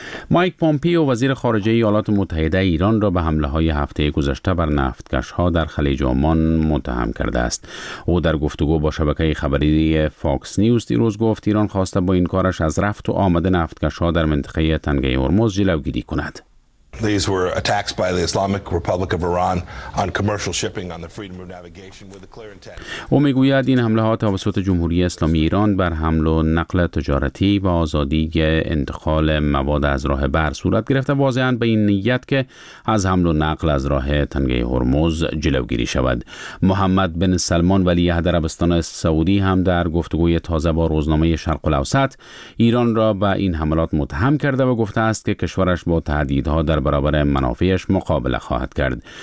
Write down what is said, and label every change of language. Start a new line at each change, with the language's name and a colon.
Persian: مایک پومپیو، وزیر خارجه ایالات متحده ایران، را به حمله‌های هفته گذشته بر نفتکش‌ها در خلیج عمان متهم کرده است. او در گفتگو با شبکه خبری فاکس نیوز دیروز گفت ایران خواسته با این کارش از رفت و آمد نفتکش‌ها در منطقه تنگه هرمز جلوگیری کند.
English: These were attacks by the Islamic Republic of Iran on commercial shipping on the freedom of navigation with a clear intent.
Persian: او میگوید این حمله ها توسط جمهوری اسلامی ایران بر حمل و نقل تجارتی و آزادی انتقال مواد از راه بر صورت گرفته، واضحاً به این نیت که از حمل و نقل از راه تنگه هرمز جلوگیری شود. محمد بن سلمان، ولی عهد عربستان سعودی، هم در گفتگوی تازه با روزنامه شرق الاوسط ایران را به این حملات متهم کرده و گفته است که کشورش با تهدیدها در برابر منافعش مقابله خواهد کرد.